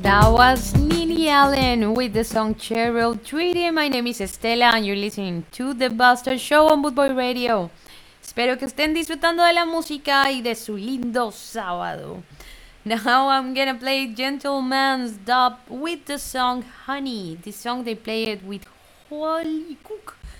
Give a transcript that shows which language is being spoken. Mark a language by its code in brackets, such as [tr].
[en] was Nini Allen with the song Cheryl Tweedy. My name is Estela and you're listening to The Buster Show on Bootboy Radio. [es] Espero que estén disfrutando de la música y de su lindo sábado. [en] Now I'm gonna play Gentleman's Dub with the song Honey. This song they play it with Holly Cook.